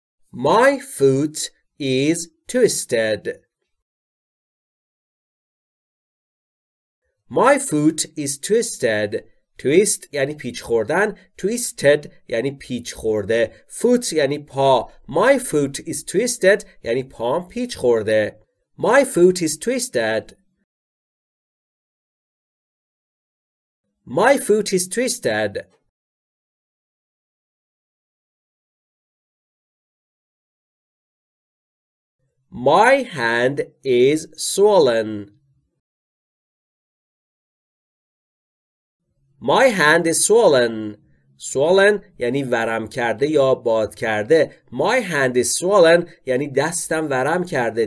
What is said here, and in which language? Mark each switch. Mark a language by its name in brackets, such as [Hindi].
[English] My foot is twisted. My foot is twisted. [Persian] Twist یعنی پیچ خوردن. Twisted یعنی پیچ خورده. Foot یعنی پا. [English] My foot is twisted [Persian] یعنی پام پیچ خورده. [English] My foot is twisted. My foot is twisted. My hand is swollen. My hand is swollen. [Persian] Swollen یعنی ورم کرده یا باد کرده. [English] My hand is swollen [Persian] یعنی دستم ورم کرده.